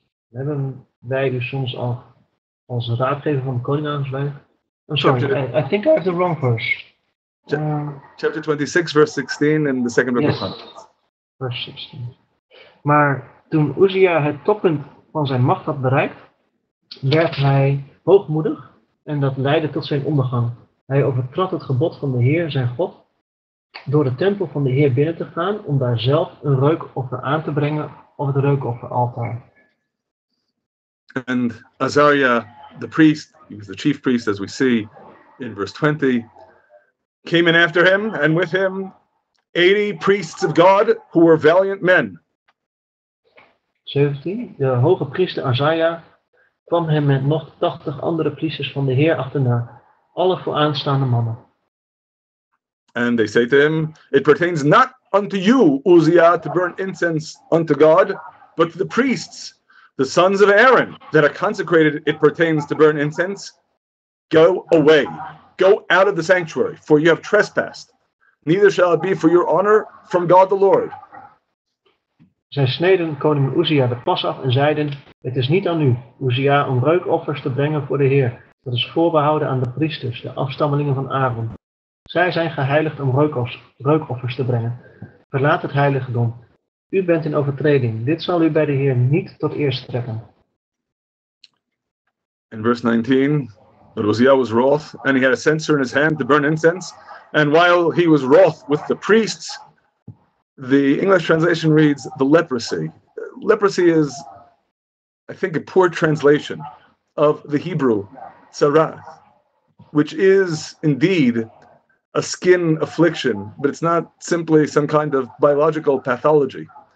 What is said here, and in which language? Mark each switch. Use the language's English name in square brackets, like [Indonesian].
[Dutch] Hebben wij dus soms al als raadgever van de koning aangezwijgd? [English] I'm sorry, I think I have the wrong verse. Chapter 26, verse 16 in the second book of Chronicles. Verse 16. [Dutch] Maar toen Uzia het toppunt van zijn macht had bereikt, werd hij hoogmoedig en dat leidde tot zijn ondergang. Hij overtrad het gebod van de Heer, zijn God, door de tempel van de Heer binnen te gaan om daar zelf een reukoffer aan te brengen op het reukofferaltaar. [English] En Azaria, the priest, he was the chief priest, as we see in verse 20, came in after him, and with him 80 priests of God who were valiant men. 17. [Dutch] De hoge priester Azaria kwam hem met nog 80 andere priesters van de Heer achterna. Alle vooraanstaande mannen. [English] And they say to him, it pertains not unto you, Uzziah, to burn incense unto God, but to the priests, the sons of Aaron, that are consecrated, it pertains to burn incense. Go away, go out of the sanctuary, for you have trespassed. Neither shall it be for your honor from God the Lord. [Dutch] Zij sneden koning Uzziah de pas af en zeiden, het is niet aan u, Uzziah, om reukoffers te brengen voor de Heer. Dat is voorbehouden aan de priesters, de afstammelingen van Aaron. Zij zijn geheiligd om reukoffers te brengen. Verlaat het heiligdom. U bent in overtreding. Dit zal u bij de Heer niet tot eer strekken. [English] In verse 19, Uzziah was wroth, and he had a censer in his hand to burn incense. And while he was wroth with the priests, the English translation reads the leprosy. Leprosy is, I think, a poor translation of the Hebrew tzaraath, which is indeed a skin affliction, but it's not simply some kind of biological pathology.